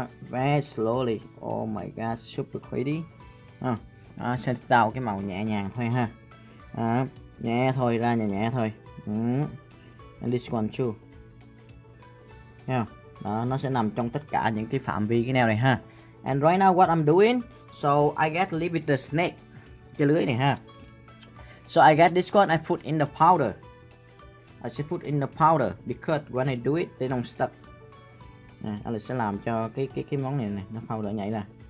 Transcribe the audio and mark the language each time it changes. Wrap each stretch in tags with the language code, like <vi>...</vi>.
<en>Very slowly. Oh my god, super pretty. Stand down</en> <vi>cái màu nhẹ nhàng thôi ha. Nhẹ thôi, ra nhẹ nhẹ thôi.</vi> <en>And this one too. Yeah.</en> <vi>Đó, nó sẽ nằm trong tất cả những cái phạm vi cái nail này ha.</vi> <en>And right now what I'm doing, so I get a little bit the snake.</en> <vi>Cái lưới này ha.</vi> <en>So I get this one, I put in the powder. I should put in the powder because when I do it, they don't stuck.</en> <vi>Alex sẽ làm cho cái món này này, nó powder nhảy ra.</vi>